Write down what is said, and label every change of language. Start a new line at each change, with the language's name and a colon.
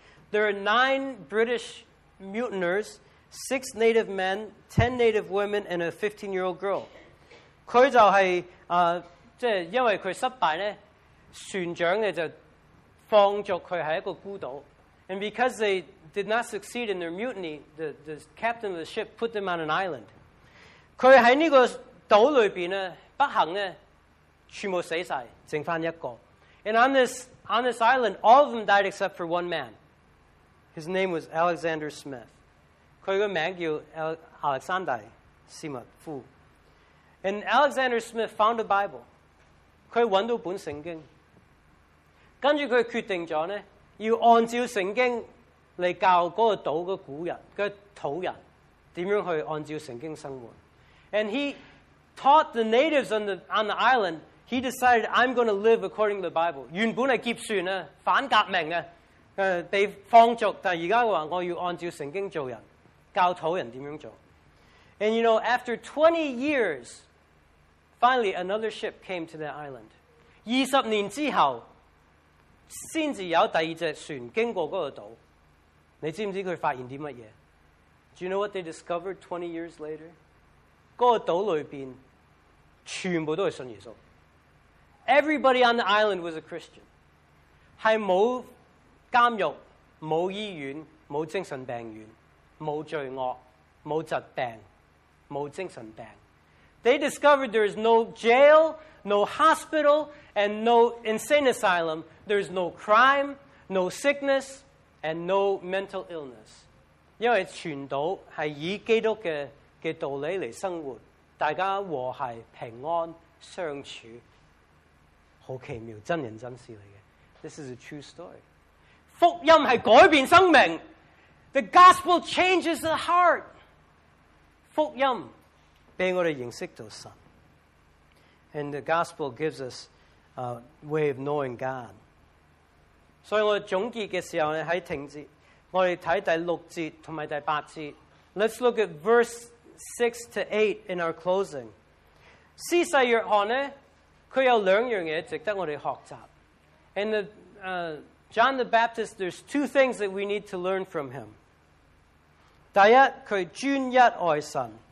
English: There are 9 British mutineers, 6 native men, 10 native women, and a 15-year-old girl.
Cantonese: 佢就系、是。即係因為佢失敗咧，船長咧就放逐佢喺一個孤島。
English: And because they did not succeed in their mutiny, the captain of the ship put them on an island.
Cantonese: 佢喺呢個島裏邊咧，不幸咧，全部死曬，剩翻一個。
English: And on this island, all of them died except for one man. His name was Alexander Smith.
Cantonese: 佢個名叫Alexander Smith 夫。
English: And Alexander Smith found a Bible.
Cantonese: 佢揾到本聖經。跟住佢決定咗咧，要按照聖經嚟教嗰個島嘅古人、嗰土人點樣去按照聖經生活。
English: And he taught the natives on the island. He decided, I'm going to live according to the Bible.
Cantonese: 原本係劫船啊，反革命啊，被放逐，但係而家話我要按照聖經做人，教土人點樣做。
English: And you know, after 20 years, finally another ship came to the island.
Cantonese: 20年之後，先至有第二隻船經過嗰個島。你知唔知佢發現啲乜嘢？
English: Do you know what they discovered 20 years later?
Cantonese: 嗰個島裏邊全部都係信耶穌。
English: Everybody on the island was a Christian.
Cantonese: 係冇監獄、冇醫院、冇精神病院、冇罪惡、冇疾病。冇精神病。
English: They discovered there is no jail, no hospital, and no insane asylum. There is no crime, no sickness, and no mental illness.
Cantonese: 因为全岛系以基督嘅道理嚟生活，大家和谐平安相处，好奇妙，真人真事嚟嘅。
English: This is a true story.
Cantonese: 福音系改变生命。
English: The gospel changes the heart.
Cantonese: 福音俾我哋认识到神
English: ，and the gospel gives us a way of knowing God。
Cantonese: 所以我总结嘅时候咧，喺停节，我哋睇第六节同埋第八节。
English: Let's look at verses 6 to 8 in our closing。
Cantonese: 施洗约翰咧，佢有两样嘢值得我哋学习
English: ，and John the Baptist, there's 2 things that we need to learn from him。
Cantonese: 第一，佢專一愛神。